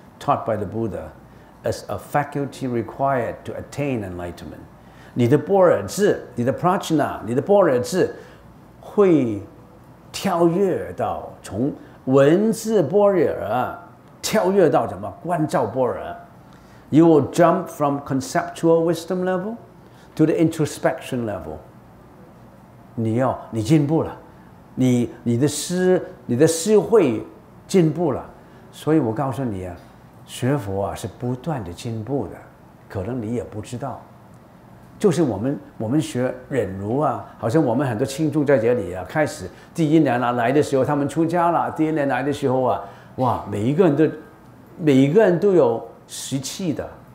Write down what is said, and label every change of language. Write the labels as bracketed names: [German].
[English] taught by the Buddha as a faculty required to attain enlightenment. [Chinese] 你的般若智，你的 prajna， 你的般若智会跳跃到从文字般若跳跃到什么观照般若。 [English] You will jump from conceptual wisdom level to the introspection level. [Chinese] 你进步了，你的思慧进步了。所以我告诉你啊，学佛啊是不断的进步的，可能你也不知道。就是我们学忍辱啊，好像我们很多亲众在这里啊，开始第一年啊来的时候，他们出家了，第一年来的时候啊，哇，每一个人都有习气的，